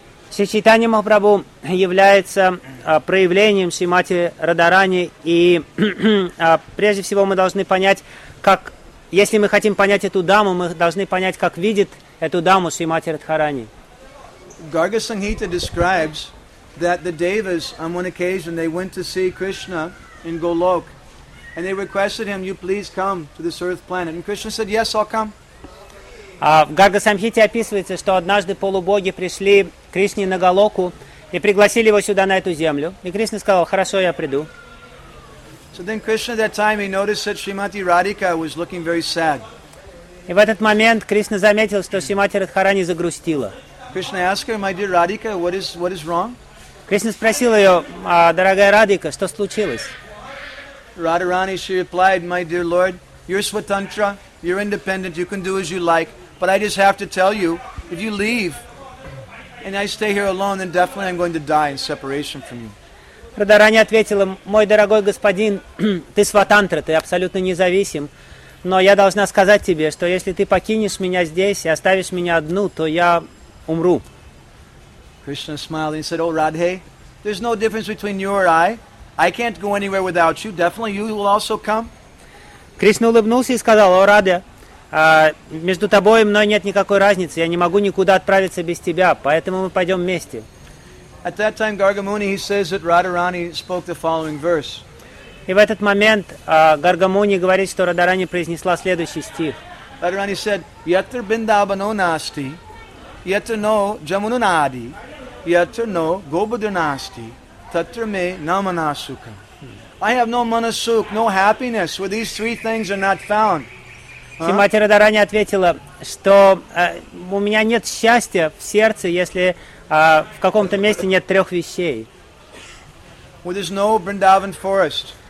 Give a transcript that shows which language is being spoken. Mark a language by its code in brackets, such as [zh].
[ru] Sri Chaitanya Mahaprabhu является проявлением Srimati Radharani, и прежде всего мы должны понять, как, если мы хотим понять эту Дхаму, мы должны понять, как видит эту Дхаму Srimati Radharani. [en] Garga Sanghita describes that the devas, on one occasion, they went to see Krishna in Golok, and they requested him, you please come to this earth planet. And Krishna said, yes, I'll come. [ru] В Гарга Самхите описывается, что однажды полубоги пришли к Кришне на Голоку и пригласили его сюда, на эту землю. И Кришна сказал, хорошо, я приду. [en] So then Krishna at that time, he noticed that Srimati Radhika was looking very sad. [ru] И в этот момент Кришна заметил, что Шримати Радхарани загрустила. [en] Krishna asked her, my dear Radhika, what is wrong? [ru] Кришна спросил ее, дорогая Радика, что случилось? [en] Радхарани, she replied, my dear Lord, you're Swatantra, you're independent, you can do as you like, but I just have to tell you, if you leave, and I stay here alone, then definitely I'm going to die in separation from you. [ru] Радхарани ответила, мой дорогой господин, ты Сватантра, ты абсолютно независим, но я должна сказать тебе, что если ты покинешь меня здесь и оставишь меня одну, то я умру. [en] Krishna smiled and said, "Oh Radhe, there's no difference between you or I. I can't go anywhere without you. Definitely, you will also come." [ru] Krishna улыбнулся и сказал, "О Радхе, между тобой и мной нет никакой разницы. Я не могу никуда отправиться без тебя, поэтому мы пойдем вместе." [en] At that time, Garga Muni, he says that Radharani spoke the following verse. [ru] И в этот момент Garga Muni говорит, что Радхарани произнесла следующий стих. [en] Radharani said, [sa] "Yatra Bindavano Nasti." Yatrano Jamununadi, Yatrano Gobudanasti, Tatrame Namanasuka. [en] I have no manasuk, no happiness, where these three things are not found. [ru] Шримати Радхарани ответила, что у меня нет счастья в сердце, если в каком-то месте нет трех вещей. [en] Where there's no Vrindavan forest.